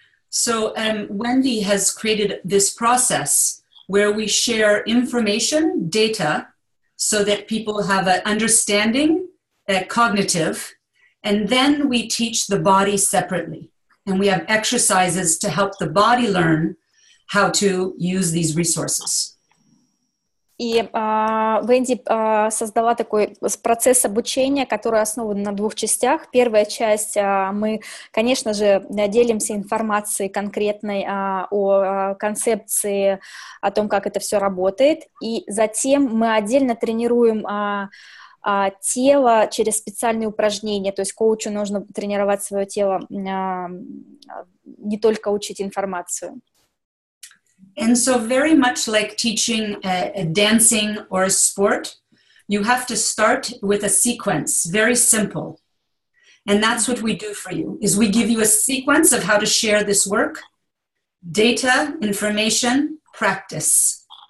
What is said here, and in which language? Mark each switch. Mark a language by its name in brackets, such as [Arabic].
[English] So Wendy has created this process where we share information, data, so that people have an understanding, a cognitive, and then we teach the body separately. And we have exercises to help the body learn how to use these resources. [Russian] И Венди создала такой процесс обучения, который основан на двух частях. Первая часть, мы, конечно же, делимся информацией конкретной о концепции, о том, как это все работает. И затем мы отдельно тренируем тело через специальные упражнения. То есть коучу нужно тренировать свое тело, не только учить информацию. [English] And so very much like teaching a dancing or a sport, you have to start with a sequence, very simple. And that's what we do for you, is we give you a sequence of how to share this work, data, information, practice.